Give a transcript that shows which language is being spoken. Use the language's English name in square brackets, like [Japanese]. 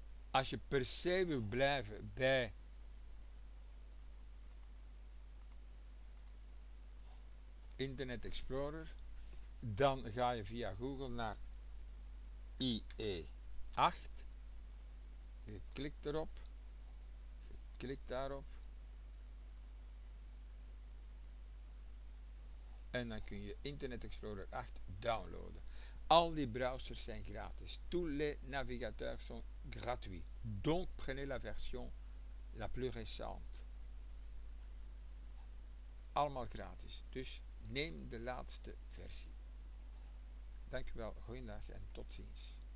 [Dutch] Als je per se wil blijven bij Internet Explorer, dan ga je via Google naar IE8, je klikt erop, je klikt daarop en dan kun je Internet Explorer 8 downloaden. Al die browsers zijn gratis. [French] Tous les navigateurs sont gratuits. Donc prenez la version la plus récente. [Dutch] Allemaal gratis. Dus neem de laatste versie. Dank u wel, goeiedag en tot ziens.